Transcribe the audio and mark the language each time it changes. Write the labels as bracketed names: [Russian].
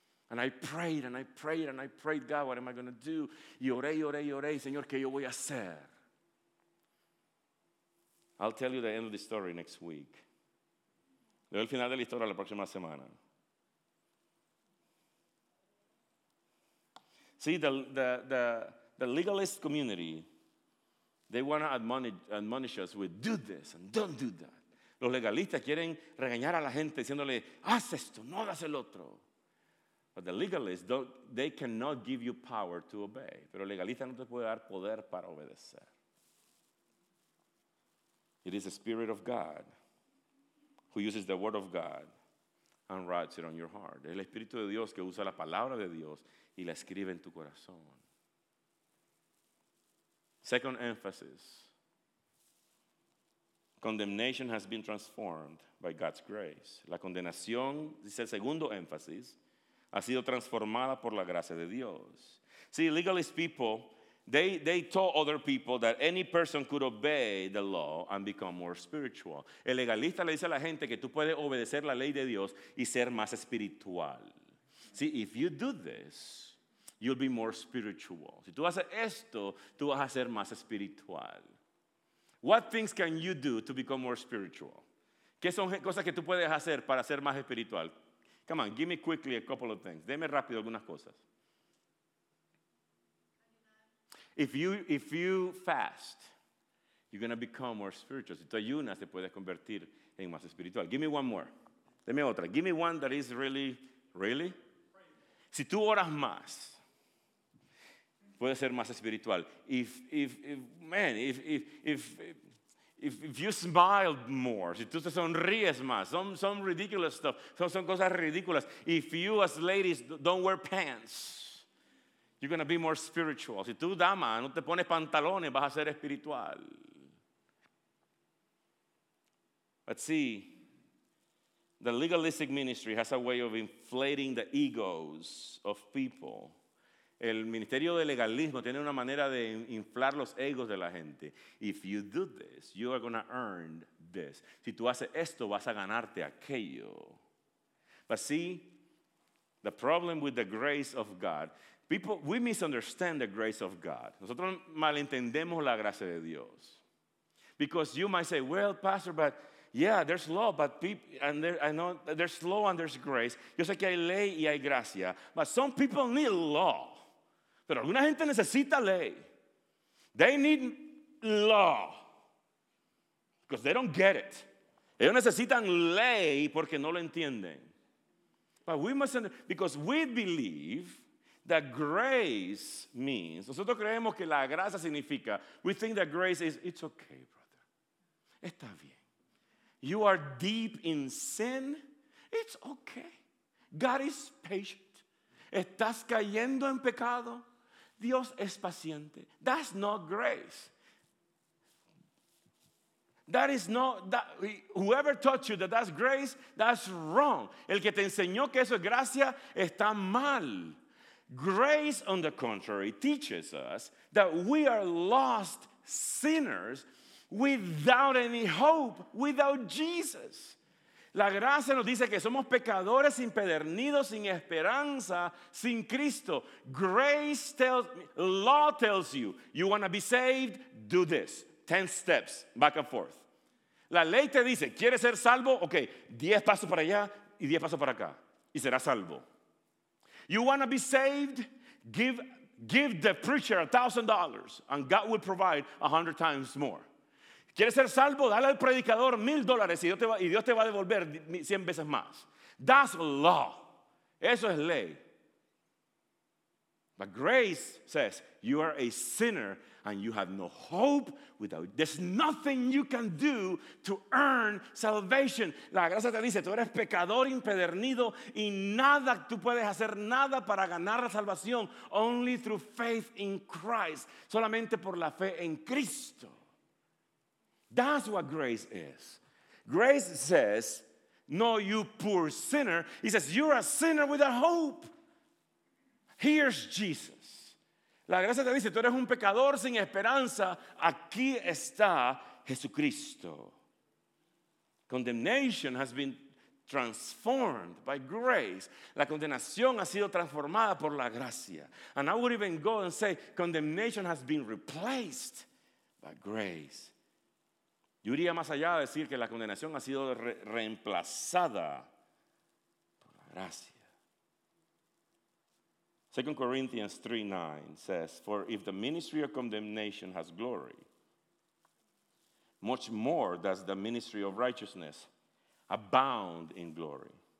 [English] And I prayed, and I prayed, and I prayed, God, what am I going to do? [Spanish] Y oré, y oré, y oré, Señor, ¿qué yo voy a hacer? [English] I'll tell you the end of the story next week. [Spanish] Leo el final de la historia la próxima semana. [English] See, the legalist community, they want to admonish us with do this and don't do that. [Spanish] Los legalistas quieren regañar a la gente diciéndole, haz esto, no hagas el otro. [English] But the legalists, they cannot give you power to obey. [Spanish] Pero el legalista no te puede dar poder para obedecer. [English] It is the Spirit of God who uses the Word of God and writes it on your heart. [Spanish] Es el Espíritu de Dios que usa la Palabra de Dios y la escribe en tu corazón. [English] Second emphasis. Condemnation has been transformed by God's grace. [Spanish] La condenación, dice el segundo énfasis, ha sido transformada por la gracia de Dios. [English] See, legalist people, they taught other people that any person could obey the law and become more spiritual. [Spanish] El legalista le dice a la gente que tú puedes obedecer la ley de Dios y ser más espiritual. [English] See, if you do this, you'll be more spiritual. [Spanish] Si tú haces esto, tú vas a ser más espiritual. [English] What things can you do to become more spiritual? [Spanish] ¿Qué son cosas que tú puedes hacer para ser más espiritual? [English] Come on, give me quickly a couple of things. [Spanish] Deme rápido algunas cosas. [English] If you fast, you're going to become more spiritual. [Spanish] Si tú ayunas, te puedes convertir en más espiritual. [English] Give me one more. [Spanish] Deme otra. [English] Give me one that is really, really. [Spanish] Si tú oras más, puede ser más espiritual. [English] If you smile more, [Spanish] si tú te sonríes más, [English] some ridiculous stuff, [Spanish] son cosas ridículas. [English] If you as ladies don't wear pants, you're going to be more spiritual. [Spanish] Si tú, dama, no te pones pantalones, vas a ser espiritual. [English] But see, the legalistic ministry has a way of inflating the egos of people. [Spanish] El ministerio de legalismo tiene una manera de inflar los egos de la gente. [English] If you do this, you are going to earn this. [Spanish] Si tú haces esto, vas a ganarte aquello. [English] But see, the problem with the grace of God. We misunderstand the grace of God. [Spanish] Nosotros malentendemos la gracia de Dios. [English] Because you might say, well, pastor, but yeah, there's law, but there's law and there's grace. [Spanish] Yo sé que hay ley y hay gracia. [English] But some people need law. [Spanish] Pero alguna gente necesita ley. [English] They need law. Because they don't get it. [Spanish] Ellos necesitan ley porque no lo entienden. [English] But we must understand, because we believe that grace means, [Spanish] nosotros creemos que la gracia significa, [English] we think that grace is, it's okay, brother. [Spanish] Está bien. [English] You are deep in sin, it's okay. God is patient. [Spanish] Estás cayendo en pecado, Dios es paciente. [English] That's not grace. That is not, that, whoever taught you that that's grace, that's wrong. [Spanish] El que te enseñó que eso es gracia, está mal. [English] Grace, on the contrary, teaches us that we are lost sinners without any hope, without Jesus. [Spanish] La gracia nos dice que somos pecadores empedernidos, sin esperanza, sin Cristo. [English] Grace tells, law tells you, you want to be saved, do this. 10 steps back and forth. [Spanish] La ley te dice, ¿quieres ser salvo? Ok, 10 pasos para allá y 10 pasos para acá. Y serás salvo. [English] You want to be saved? Give the preacher $1,000 and God will provide 100 times more. [Spanish] ¿Quieres ser salvo? Dale al predicador $1,000 y Dios te va a devolver 100 veces más. [English] That's law. [Spanish] Eso es ley. [English] But grace says, you are a sinner and you have no hope without. There's nothing you can do to earn salvation. [Spanish] La gracia te dice, tú eres pecador empedernido y nada, tú puedes hacer nada para ganar la salvación. [English] Only through faith in Christ. [Spanish] Solamente por la fe en Cristo. [English] That's what grace is. Grace says, no, you poor sinner. He says, you're a sinner with a hope. Here's Jesus. [Spanish] La gracia te dice, tú eres un pecador sin esperanza. Aquí está Jesucristo. [English] Condemnation has been transformed by grace. [Spanish] La condenación ha sido transformada por la gracia. [English] And I would even go and say, condemnation has been replaced by grace. [Spanish] Yo iría más allá a decir que la condenación ha sido reemplazada por la gracia. [English] 2 Corinthians 3:9 says, for if the ministry of condemnation has glory, much more does the ministry of righteousness abound in glory.